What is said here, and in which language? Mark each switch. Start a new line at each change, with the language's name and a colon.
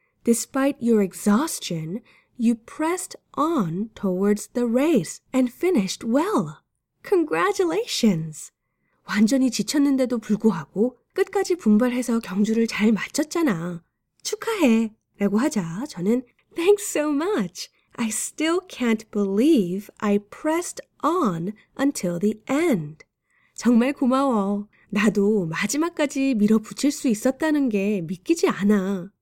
English: Despite your exhaustion, you pressed on towards the race and finished well. Congratulations!
Korean: 완전히 지쳤는데도 불구하고 끝까지 분발해서 경주를 잘 마쳤잖아. 축하해! 라고 하자 저는
English: Thanks so much! I still can't believe I pressed on until the end.
Korean: 정말 고마워. 나도 마지막까지 밀어붙일 수 있었다는 게 믿기지 않아.